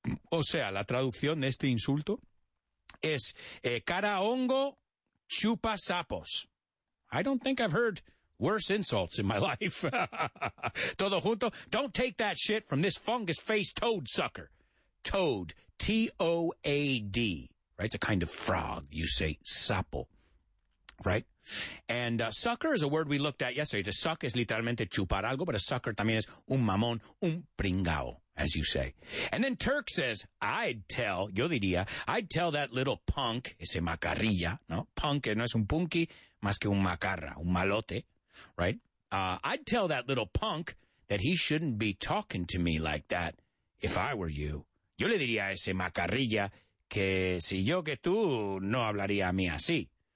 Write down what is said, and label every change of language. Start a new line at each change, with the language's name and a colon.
Spanish: O sea, la traducción de este insulto es cara hongo. Chupa sapos.
English: I don't think I've heard worse insults in my life.
Spanish: Todo junto.
English: Don't take that shit from this fungus-faced toad sucker. Toad. T-O-A-D. Right? It's a kind of frog. You say sapo. Right? And sucker is a word we looked at yesterday. To suck is
Spanish: literalmente chupar algo,
English: but a sucker
Spanish: también es un mamón, un pringao,
English: as you say. And then Turk says, I'd tell that little punk,
Spanish: ese macarrilla, no? Punk, no es un punky, más que un macarra, un malote,
English: right? I'd tell that little punk that he shouldn't be talking to me like that if I were you.
Spanish: Yo le diría a ese macarrilla que si yo que tú no hablaría a mí así.